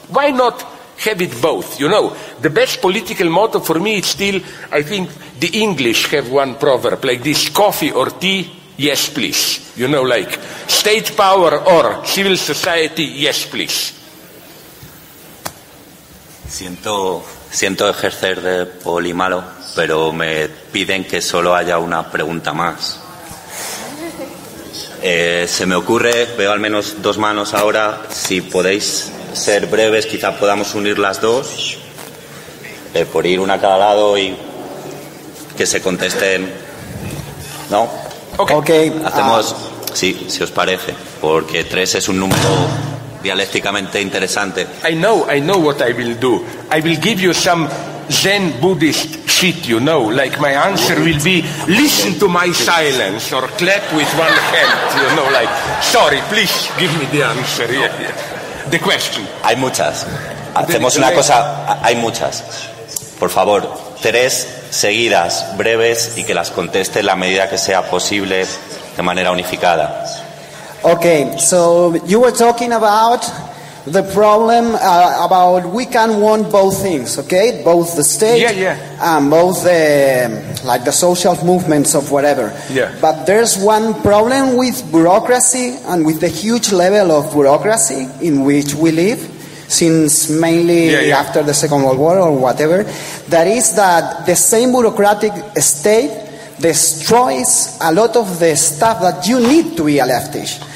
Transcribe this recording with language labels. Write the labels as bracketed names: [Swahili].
[English] Why not have it both? You know, the best political motto for me is still, I think the English have one proverb like this, coffee or tea, yes please. You know, like state power or civil society, yes please. [Spanish] Siento ejercer de poli malo, pero me piden que solo haya una pregunta más. Se me ocurre, veo al menos dos manos ahora, si podéis ser breves, quizá podamos unir las dos, por ir una a cada lado y que se contesten, ¿no? [English] Ok. [Spanish] Hacemos, sí, si os parece, porque tres es un número dialécticamente interesante. [English] I know what I will do. I will give you some Zen Buddhist shit, you know, like my answer will be listen to my silence or clap with one hand, you know, like sorry, please give me the answer. Yeah, yeah. The question. [Spanish] Hay muchas. Hacemos una cosa, hay muchas. Por favor, tres seguidas, breves, y que las conteste en la medida que sea posible de manera unificada. [English] Okay, so you were talking about the problem about we can want both things, okay? Both the state, yeah, yeah, and both the like the social movements of whatever. Yeah. But there's one problem with bureaucracy and with the huge level of bureaucracy in which we live since mainly after the Second World War or whatever, that is that the same bureaucratic state destroys a lot of the stuff that you need to be a leftist.